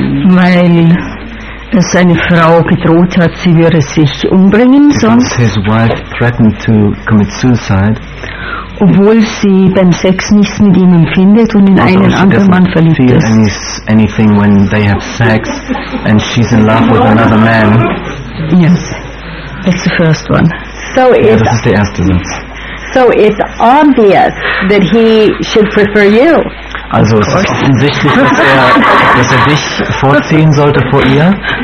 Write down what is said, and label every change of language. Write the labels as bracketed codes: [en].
[de] Weil seine Frau gedroht hat, sie würde sich umbringen [en] because [de] sonst. [en] His wife threatened to commit suicide. [de] Obwohl sie beim Sex nichts mit ihm empfindet und in einen anderen Mann verliebt ist. [en] Although she doesn't feel anything when they have sex and she's in love with another man. Yes, that's the first one. So yeah, this is the [de] erste Satz. [en] So it's obvious that he should prefer you. [de] Also es ist offensichtlich, dass er dich vorziehen sollte vor ihr.